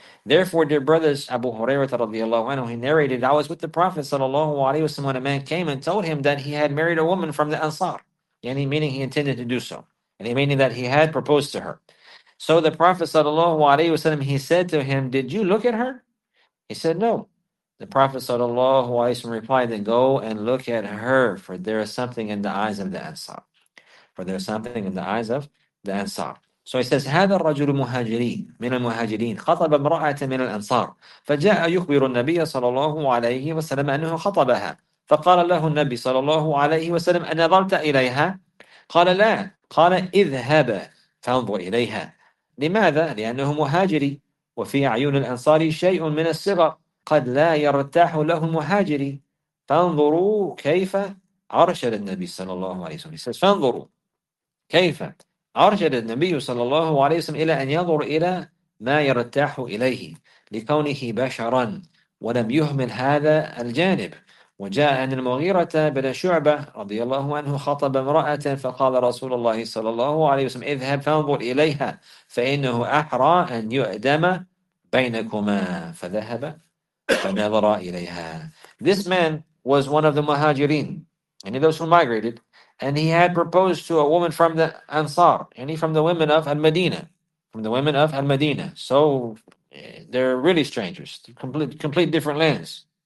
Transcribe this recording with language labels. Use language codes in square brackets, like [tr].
[en] Therefore, dear brothers, Abu Hurairah radiallahu anhu, he narrated, I was with the Prophet sallallahu alaihi wasallam when a man came and told him that he had married a woman from the Ansar, meaning he intended to do so, and meaning that he had proposed to her. So the Prophet sallallahu alaihi wasallam, he said to him, did you look at her? He said, no. The Prophet sallallahu alaihi wasallam replied, then go and look at her, for there is something in the eyes of the Ansar. For there is something in the eyes of the Ansar. So he says, [ar] هذا الرجل مهاجري من المهاجرين خطب امرأة من الأنصار فجاء يخبر النبي صلى الله عليه وسلم أنه خطبها فقال له النبي صلى الله عليه وسلم أنظرت إليها؟ قال لا، قال اذهب فانظر إليها. لماذا؟ لأنه مهاجري وفي عيون الأنصار شيء من الصغر قد لا يرتاح له المهاجري، فانظروا كيف أرشد النبي صلى الله عليه وسلم. فانظروا كيف أرشد النبي صلى الله عليه وسلم إلى أن ينظر إلى ما يرتاح إليه لكونه بشرا، ولم يهمل هذا الجانب. وجاء أن المغيرة بن شعبة رضي الله عنه خطب امرأة فقال رسول الله صلى الله عليه وسلم اذهب فانظر إليها فإنه أحرى أن يؤدم بينكما، فذهب فنظر إليها. [en] This man was one of the Muhajirin, and those who migrated, and he had proposed to a woman from the Ansar, and from the women of Al-Madinah, from the women of Al-Madinah. So they're really strangers, complete different lands.